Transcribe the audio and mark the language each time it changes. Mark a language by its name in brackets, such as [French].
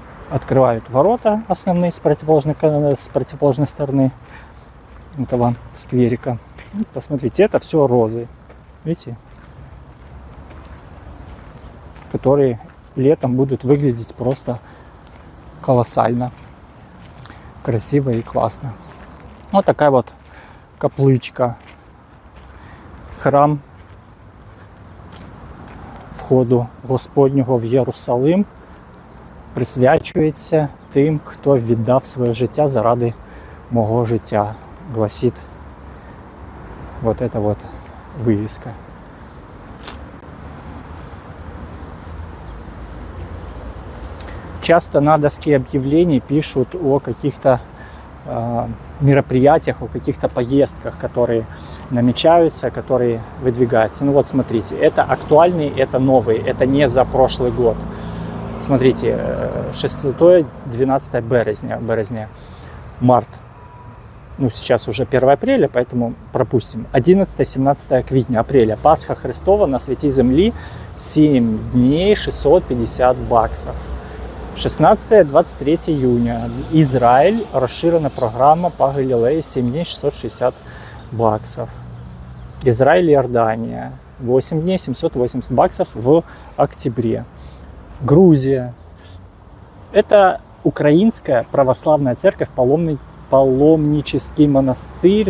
[Russian] Открывают ворота основные с противоположной стороны этого скверика. Посмотрите, это все розы. Видите? Которые летом будут выглядеть просто колоссально красиво и классно. Вот такая вот каплычка. [Ukrainian] Храм входу Господнього в Єрусалим присвячується тим, хто віддав своє життя заради мого життя, [Russian] гласит вот эта вот вывеска. Часто на доске объявлений пишут о каких-то мероприятиях, о каких-то поездках, которые намечаются, которые выдвигаются. Ну вот смотрите, это актуальный, это новый, это не за прошлый год. Смотрите, 6-12 березня, март. Ну, сейчас уже 1 апреля, поэтому пропустим. 11-17 квітня, апреля. Пасха Христова на святій землі 7 дней 650 баксов. 16-23 июня. Израиль. Расширена программа по Галилее 7 дней 660 баксов. Израиль и Иордания. 8 дней 780 баксов в октябре. Грузия. Это украинская православная церковь, паломнический монастырь.